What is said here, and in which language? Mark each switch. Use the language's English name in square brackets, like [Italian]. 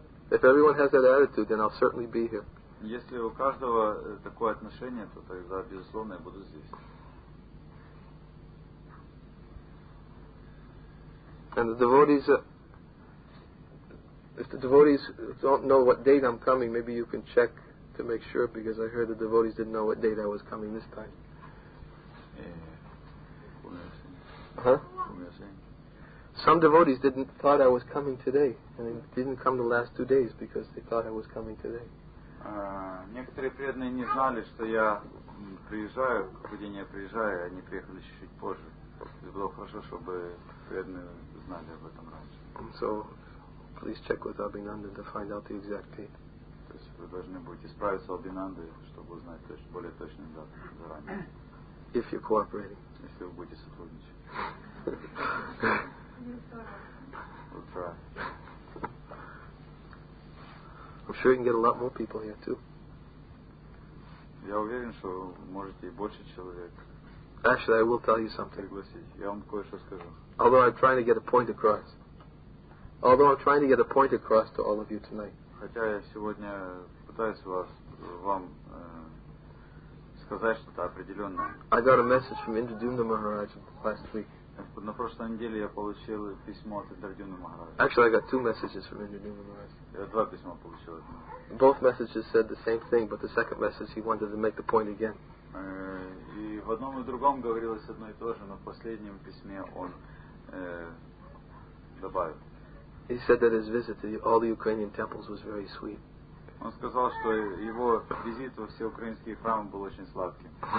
[English] If everyone has that attitude, then I'll certainly be here. [Russian] Если у каждого такое отношение, то тогда, безусловно, я буду здесь. [English] And the devotees, if the devotees don't know what date I'm coming, maybe you can check to make sure, because I heard the devotees didn't know what date I was coming this time. Some devotees didn't thought I was coming today, and they didn't come the last 2 days because they thought I was coming today. [Russian] Некоторые преданные не знали, что я приезжаю, какой день я приезжаю, они приехали чуть-чуть позже. Было хорошо, чтобы преданные знали об этом раньше. [English] So, please check with Abhinanda to find out the exact date. [Russian] То есть вы должны будете справиться с Абхинандой, чтобы узнать точно, более точную дату заранее. [English] If you're cooperating. [Russian] Если вы будете сотрудничать. [English] We'll try. I'm sure you can get a lot more people here too. [Russian] Я уверен, что можете больше человек. [English] Actually, I will tell you something. [Russian] Пригласить. Я вам кое-что скажу. [English] Although I'm trying to get a point across to all of you tonight. [Russian] Хотя я сегодня пытаюсь вам сказать что-то определенное. [English] I got a message from Indradyumna Maharaj last week. [Russian] На прошлой неделе я получил письмо от Индрадюмны Махараджа. [English] Actually, I got two messages from Indradyumna Maharaj. [Russian] Я два письма получил. [English] Both messages said the same thing, but the second message he wanted to make the point again. [Russian] И в одном и другом говорилось одно и то же, но в последнем письме он добавил. [English] He said that his visit to all the Ukrainian temples was very sweet. [Russian] Он сказал, что его визит во все украинские храмы был очень сладким.